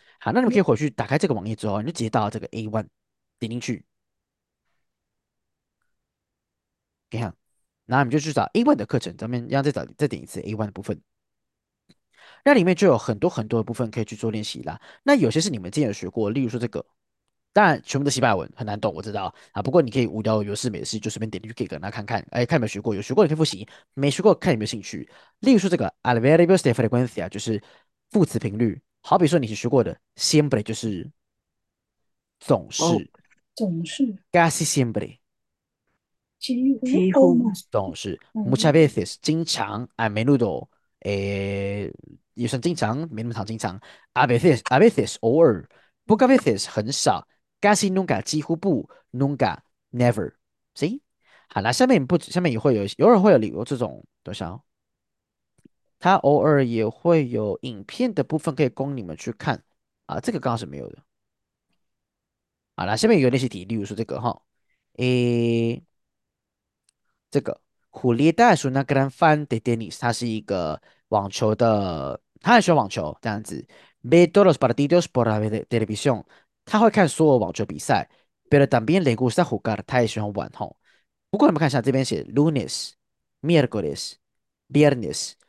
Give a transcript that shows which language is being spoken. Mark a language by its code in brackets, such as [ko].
[zh] 好，那你们可以回去打开这个网页之后，你就直接到这个 A1 点进去，你看，然后你们就去找 A1 的课程，咱们要再点一次 A1 的部分。那里面就有很多很多的部分可以去做练习啦。那有些是你们之前有学过，例如说这个，当然全部都西班牙文很难懂，我知道啊。不过你可以无聊有事没事就随便点进去可以跟他看看，哎，看有没有学过，有学过你可以复习，没学过看有没有兴趣。例如说这个 [es] a l v e r b i o s de frecuencia [zh] 就是副词频率，好比说你学过的 siempre 就是总哦，是总是 [es] casi siempre [zh] 几乎几乎 [en] almost [zh] 总是 muchas 嗯， veces 经常 [es] a menudo [zh] 也算经常，没那么经常。 [es] A veces [zh] 偶尔， [es] pocas veces [zh] 很少， [es] casi nunca [zh] 几乎不， [es] nunca [en] never。 See？ [zh] 好啦，下面也会有，偶尔会有理由这种多少？它偶尔也会有影片的部分可以供你们去看啊，这个刚好是没有的。好啦，下面有练习题，例如说这个哈，这个 [es] Julieta es una gran fan de tenis， [zh] 它是一个网球的。他很喜欢网球，这样子。 [es] Ve todos los partidos por la televisión。 [zh] 他会看所有网球比赛。 [es] Pero también le gusta jugar。 [zh] 他也喜欢玩吼。不过你们看一下，这边写 [es] lunes、miércoles、viernes。